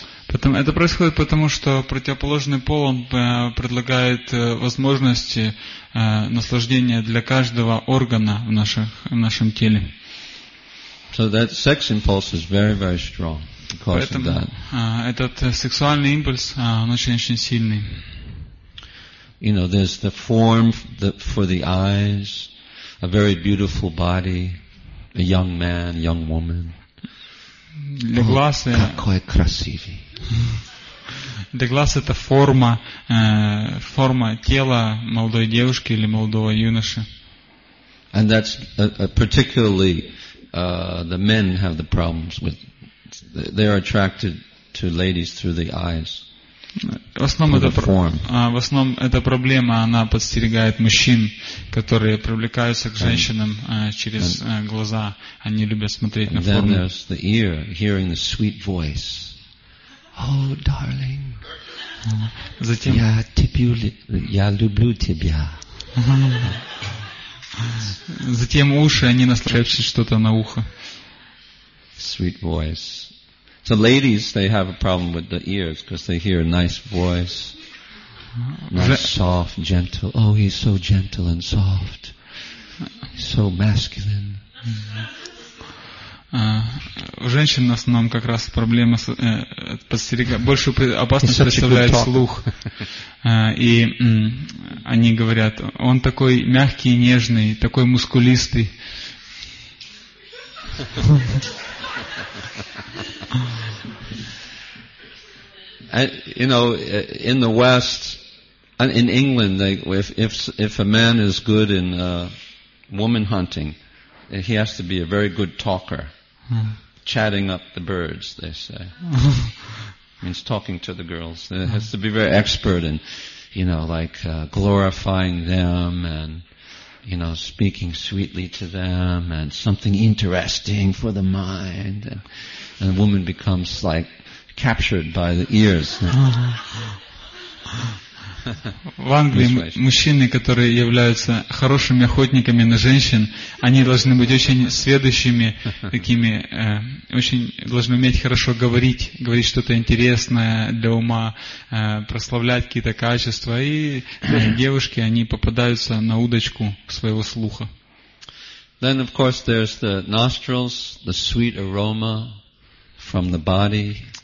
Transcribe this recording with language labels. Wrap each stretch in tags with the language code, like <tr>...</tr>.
<ru>Это происходит потому, что противоположный пол он предлагает возможности наслаждения для каждого органа в нашем теле.</ru> <en>So that sex impulse is very, very strong because of that.</en> <ru>Этот сексуальный импульс он очень-очень сильный.</ru> <en>You know, there's the form for the eyes, a very beautiful body, a young man, young woman.</en> <ru>Для глаз, какой красивый. Для глаз это форма, форма тела молодой девушки или молодого юноши.</ru> <en>And that's particularly the men have the problems with. They are attracted to ladies through the eyes.</en> <ru>В основном это форма. В основном эта проблема она подстерегает мужчин, которые привлекаются к женщинам через глаза. Они любят смотреть на форму.</ru> <en>And then there's the ear, hearing the sweet voice. Oh, darling.</en> <ru>Затем я люблю тебя. Затем уши, они наслаждаются что-то на ухо.</ru> <en>Sweet voice. So ladies, they have a problem with the ears because they hear a nice voice. Nice, soft, gentle. Oh, he's so gentle and soft. He's so masculine.</en> <ru>У женщин в основном как раз проблема с большую опасность представляет слух. И они говорят, он такой мягкий и нежный, такой мускулистый.</ru> <en>You know, in the West, in England, if a man is good in woman hunting, he has to be a very good talker, chatting up the birds, they say. Means talking to the girls. He has to be very expert in, you know, like glorifying them and, you know, speaking sweetly to them and something interesting for the mind. And a woman becomes like captured by the ears.</en> <ru>В Англии мужчины, которые являются хорошими охотниками на женщин, они должны быть очень сведущими, такими, очень должны уметь хорошо говорить что-то интересное для ума, прославлять какие-то качества, и девушки, они попадаются на удочку своего слуха.</ru> <en>Then, of course, there's the nostrils, the sweet aroma from the body.</en>